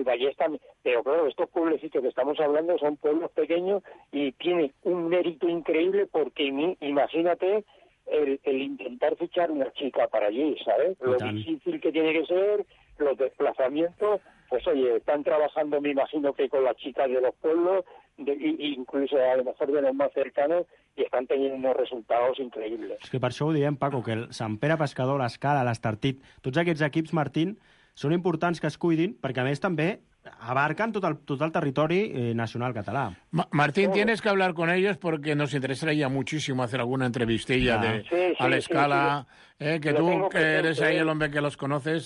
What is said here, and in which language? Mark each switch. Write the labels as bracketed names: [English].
[Spanish] El Vallés también, pero claro, estos pueblecitos que estamos hablando son pueblos pequeños y tienen un mérito increíble porque imagínate el intentar fichar una chica para allí, ¿sabes? Lo difícil que tiene que ser, los desplazamientos, pues oye, están trabajando, me imagino que con las chicas de los pueblos, incluso a lo mejor de los más cercanos y están teniendo unos resultados increíbles. [Catalan] És que per això ho diem, Paco, que el Sant Pere Pescador, l'Escala, l'Estartit, tots aquests equips, Martín, són importants que es cuidin perquè a més també abarcan tot el territori nacional català. [Spanish] Martín, tienes que hablar con ellos porque nos interesaría muchísimo hacer alguna entrevistilla a l'Escala, que tú eres ahí el hombre que los conoces.